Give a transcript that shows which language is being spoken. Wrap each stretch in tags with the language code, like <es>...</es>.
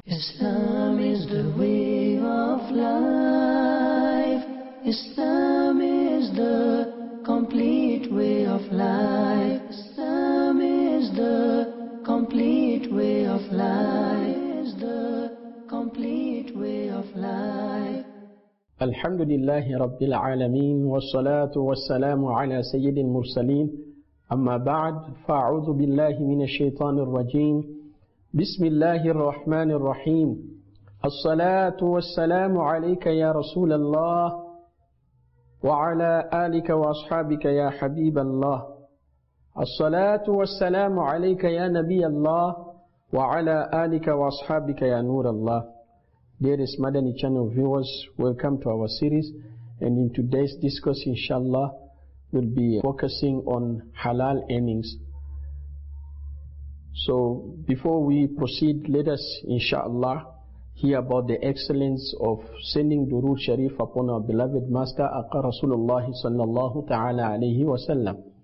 <en>Islam is the way of life. Islam is the complete way of life. Islam is the complete way of life. Is the complete way of life.</en> <ar>الحمد لله رب العالمين والصلاة والسلام على سيد المرسلين أما بعد فأعوذ بالله من الشيطان الرجيم بسم الله الرحمن الرحيم الصلاة والسلام عليك يا رسول الله وعلى آلك وأصحابك يا حبيب الله الصلاة والسلام عليك يا نبي الله وعلى آلك وأصحابك يا نور الله.</ar> <en>Dearest Madani Channel viewers, welcome to our series. And in today's discourse, inshallah, we'll be focusing on halal earnings. So before we proceed, let us, inshallah, hear about the excellence of sending Durood Sharif upon our beloved master, Aqa Rasulullah sallallahu ta'ala alayhi wa sallam.</en>